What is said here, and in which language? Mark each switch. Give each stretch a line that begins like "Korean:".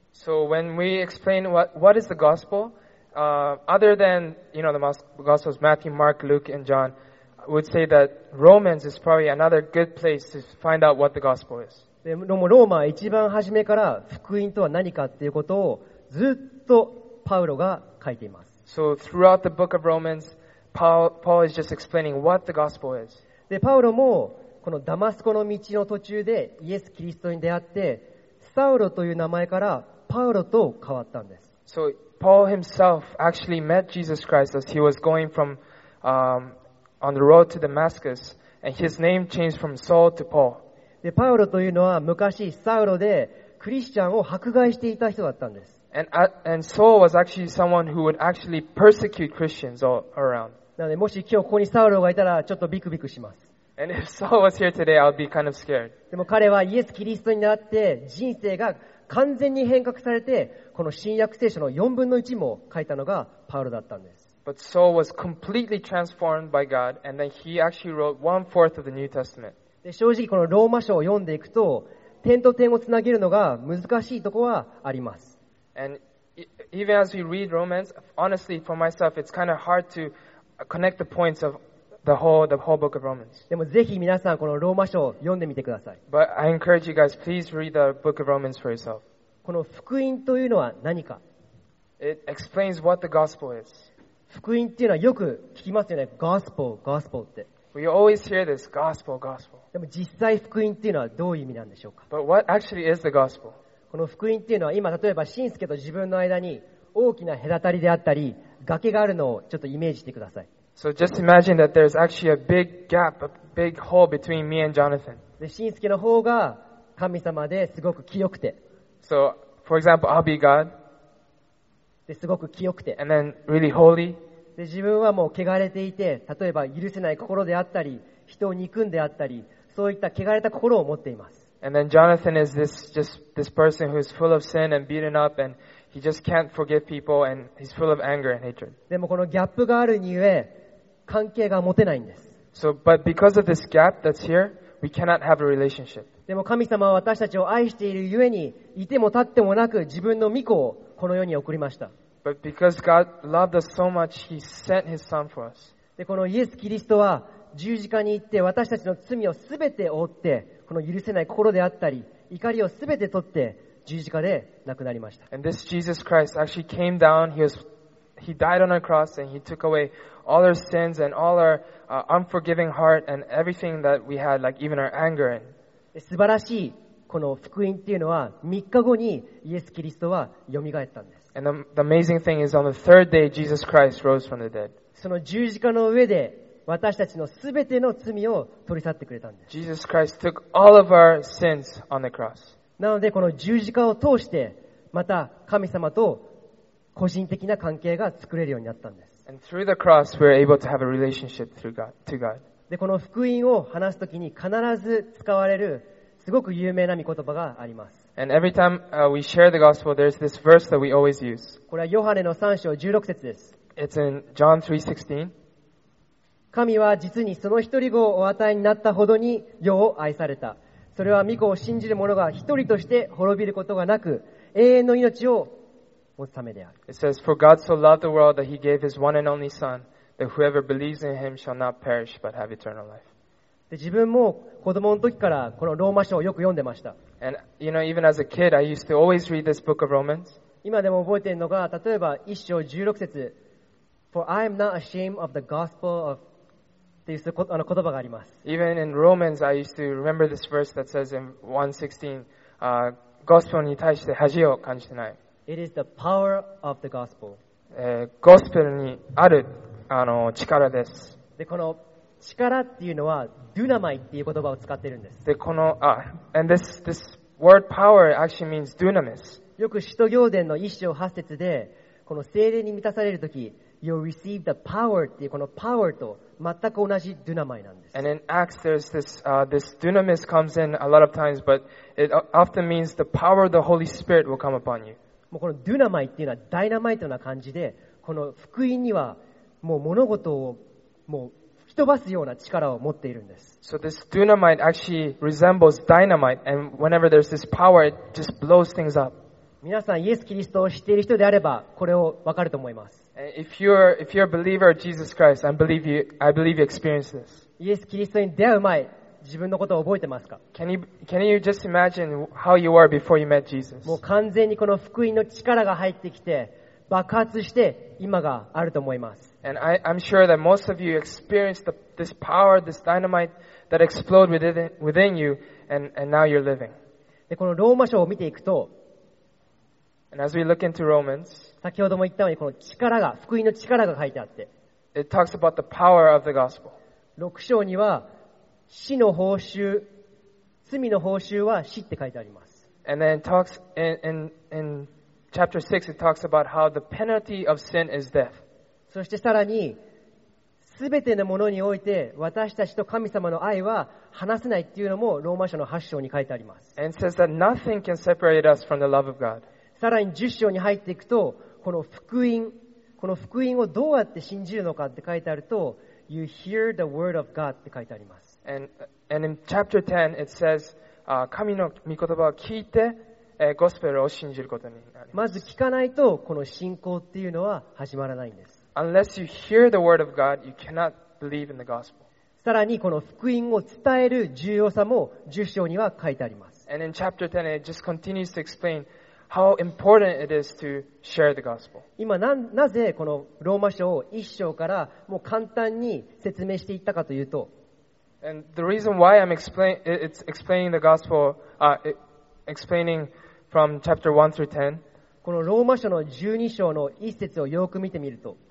English: So when we explain what is the gospel, other than, you know, the gospels, Matthew, Mark, Luke, and John,would say that Romans is probably another good place to find out what the gospel is.
Japanese: でもローマ一番初めから福音とは何かっていうことをずっとパウロが書いています。
English: So throughout the book of Romans, Paul is just explaining what the gospel is.
Japanese: で、パウロもこのダマスコの道の途中でイエス・キリストに出会ってサウロという名前からパウロと変わったんです。
English: So Paul himself actually met Jesus Christ as he was going from on the road to Damascus, and his name changed from Saul to Paul.
Japanese: で、パウロというのは昔サウロでクリスチャンを迫害していた人だったんです。
English: And Saul was actually someone who would actually persecute Christians all around.
Japanese: なので、もし今日ここにサウロがいたらちょっとビクビクします。
English: And if Saul was here today, I would be kind of scared.
Japanese: でも彼はイエス・キリストになって人生が完全に変革されて、この新約聖書の4分の1も書いたのがパウロだったんです。
English: But Saul was completely transformed by God, and then he actually wrote one-fourth of the New Testament.
Japanese: で、正直このローマ書を読んでいくと、点と点をつなげるのが難しいところはあります。
English: And even as we read Romans, honestly, for myself, it's kind of hard to connect the points of the whole book of Romans.
Japanese: でもぜひ皆さんこのローマ書を読んでみてください。
English: But I encourage you guys, please read the book of Romans for yourself.
Japanese: この福音というのは何か。
English: It explains what the gospel is.
Japanese: 福音っていうのはよく聞きますよね。 Gospel, Gospel って。
English: We always hear this, Gospel, Gospel.
Japanese: でも実際福音っていうのはどういう意味なんでしょうか。
English: But what actually is the gospel?
Japanese: この福音っていうのは今例えばシンスケと自分の間に大きな隔たりであったり崖があるのをちょっとイメージしてください。
English: So just imagine that there's actually a big gap, a big hole between me and Jonathan.
Japanese: で、シンスケの方が神様ですごく清くて。
English: So, for example, I'll be God.
Japanese: すごく清くて、
English: and then really holy.
Japanese: で自分はもう汚れていて、例えば許せない心であったり、人を憎んであったり、そういった汚れた心を持っています。
English: And then Jonathan is this person who is full of sin and beaten up, and he just can't forgive people, and he's full of anger and hatred.
Japanese: でもこのギャップがあるにゆえ、関係が持てないんです。
English: So, but because of this gap that's here, we cannot have a relationship.
Japanese: でも神様は私たちを愛しているゆえに、いても立ってもなく自分の御子をこの世に送りました。
English: But because God loved us so much, He sent His Son for us.
Japanese: で、このイエス・キリストは十字架に行って私たちの罪をすべて負って、この許せない心であったり、怒りをすべて取って十字架で亡くなりました。
English: And this Jesus Christ actually came down. He died on a cross and He took away all our sins and all our unforgiving heart and everything that we had, like even our anger.
Japanese: 素晴らしい。この福音っていうのは3日後にイエス・キリストは蘇ったんです。
English: And the amazing thing is on the third day, Jesus Christ rose from the dead.
Japanese: その十字架の上で私たちのすべての罪を取り去ってくれたんです。
English: Jesus Christ took all of our sins on the cross.
Japanese: なのでこの十字架を通してまた神様と個人的な関係が作れるようになったんです。
English: And through the cross, we're able to have a relationship through God, to God.
Japanese: で、この福音を話すときに必ず使われるすごく有名な御言葉があります。
English: And every time we share the gospel, there's this verse that we always use.
Japanese: これはヨハネの3章16節です。
English: It's in John 3:16.
Japanese: 神は実にその一人子をお与えになったほどに世を愛された。それは御子を信じる者が一人として滅びることがなく、永遠の命を持つためである。
English: It says, For God so loved the world that he gave his one and only Son, that whoever believes in him shall not perish but have eternal life.
Japanese: で自分も子供の時からこのローマ書をよく読んでました。
English: And, you know, even as a kid, I used to always read this book of Romans.
Japanese: 今でも覚えているのが、例えば一章十六節、
English: For I am not ashamed of the gospel of
Japanese: っていう言葉があります。
English: Even in Romans, I used to remember this verse that says in 1:16,
Japanese: gospel に対して恥を感じてない。
English: It is the power of the gospel.
Japanese: Gospel にある力です。でこの力っていうのはドゥナマイっていう言葉を使ってるんです。で、この、
English: and this word power actually means dunamis.
Japanese: よく使徒行伝の一章八節で、この聖霊に満たされるとき、
English: you receive the power
Japanese: っていうこの power と全く同じドゥナマイなんです。
English: And in Acts there's this dunamis comes in a lot of times, but it often means the power of the Holy Spirit will come upon you.
Japanese: もうこのドゥナマイっていうのはダイナマイトな感じで、この福音にはもう物事をもう吹き飛ばすような力を持っているんです。
English: So this dynamite actually resembles dynamite, and whenever there's this power, it just blows things up.
Japanese: 皆さん、イエス・キリストを知っている人であれば、これをわかると思います。
English: If you're a believer of Jesus Christ, I believe you experience this.
Japanese: イエス・キリストに出会う前、自分のことを覚えてますか？
English: Can you just imagine how you were before you met Jesus?
Japanese: もう完全にこの福音の力が入ってきて、爆発して今があると思います。
English: And I'm sure that most of you experienced this power, this dynamite that exploded within you, and now you're living.
Japanese: で、このローマ書を見ていくと、
English: and as we look into Romans,
Japanese: 先ほども言ったように、この力が、福音の力が書いてあって、
English: it talks about the power of the gospel.
Japanese: 6章には、死の報酬、罪の報酬は死って書いてあります。
English: And then it talks in chapter 6, it talks about how the penalty of sin is death.
Japanese: そしてさらに、すべてのものにおいて、私たちと神様の愛は離せないっていうのも、ローマ書の8章に書いてあります。
English: And says that nothing can separate us from the love of God.
Japanese: さらに10章に入っていくと、この福音、この福音をどうやって信じるのかって書いてあると、
English: You hear the word of God
Japanese: って書いてあります。
English: And in chapter 10, it says,
Japanese: 神の御言葉を聞いて、ゴスペルを信じることになります。まず聞かないと、この信仰っていうのは始まらないんです。
English: Unless you hear the word of God, you cannot believe in the gospel.
Japanese: さらにこの福音を伝える重要さも、10章には書いてあります。
English: And in chapter 10, it just continues to explain,How important it is to share the gospel.
Japanese: 今なぜこのローマ書を一章からもう簡単に説明していったかというと、
English: And the reason why I'm explaining the gospel, explaining from chapter 1 through 10,
Japanese: このローマ書の12章の一節をよく見てみると、